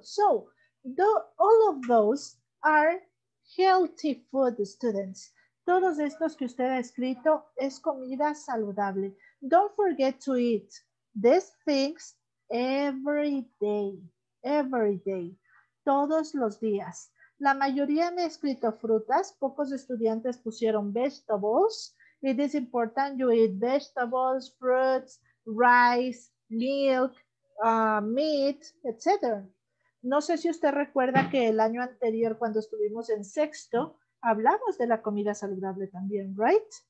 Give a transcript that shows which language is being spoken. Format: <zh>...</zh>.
<en>So, all of those are healthy food, students.</en> <es>Todos estos que usted ha escrito es comida saludable.</es> <en>Don't forget to eat these things every day. Every day.</en> <es>Todos los días. La mayoría me ha escrito frutas, pocos estudiantes pusieron vegetables.</es> <en>It is important you eat vegetables, fruits, rice, milk, meat, etc.</en> <es>No sé si usted recuerda que el año anterior cuando estuvimos en sexto, hablamos de la comida saludable también,</es> <en>right?</en>